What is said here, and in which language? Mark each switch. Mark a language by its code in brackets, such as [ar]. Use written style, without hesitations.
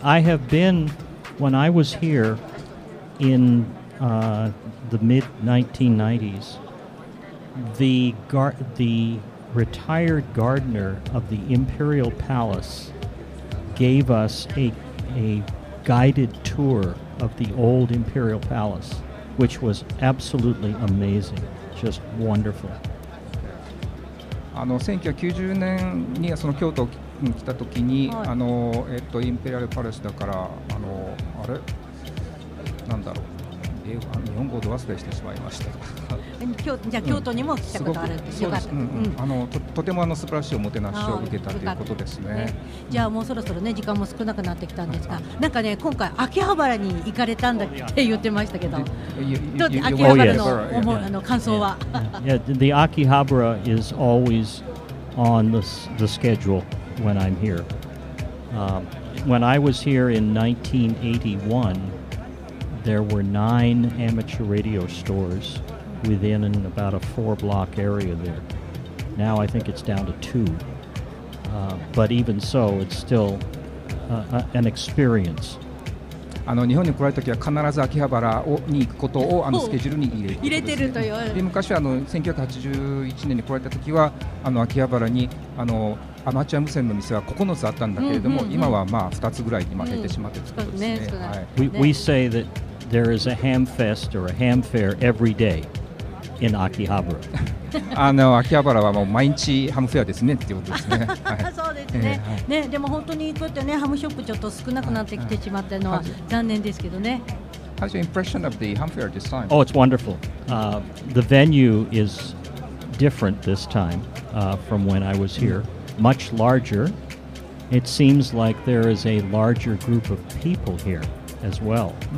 [en] I have been, when I was here in the mid-1990s, the retired gardener of the Imperial Palace gave us a guided tour of the old Imperial Palace, which was absolutely amazing, just wonderful. [ja] 1990年にその京都に来た時に、はい、インペリアルパレスだからあれなんだろう日本語をど忘れしてしまいました。じゃあ京都にも来たことある、うん、よかった、うんうん、とても素晴らしいおもてなしを受けたということです ね, ねじゃあもうそろそろ、ね、時間も少なくなってきたんですが、はい、なんかね今回秋葉原に行かれたんだって言ってましたけど秋葉原 の感想は [en] yeah. Yeah. The Akihabara is always on the schedule when I'm here when I was here in 1981 there were 9 amateur radio storesWithin in about a 4-block area there. Now I think it's down to 2. But even so, it's still an experience. [ja] 日本に来られた時は必ず秋葉原に行くことをスケジュールに入れてる、ね、入れてるという。で昔は1981年に来られた時は秋葉原にアマチュア無線の店は9つあったんだけれども、うんうんうん、今はまあ2つぐらいに減ってしまってるということですね。ね、はい、 [en] we say that there is a ham fest or a ham fair every day. In Akihabara. [ja] 秋葉原はもう毎日ハムフェアですねっていうことですね。そうですね。ね、でも本当にこうやってね、ハムショップちょっと少なくなってきてしまったのは残念ですけどね。 [en] How's your impression of the ham fair this time? Oh, it's wonderful. The venue is different this time from when I was here. Much larger. It seems like there is a larger group of people here as well.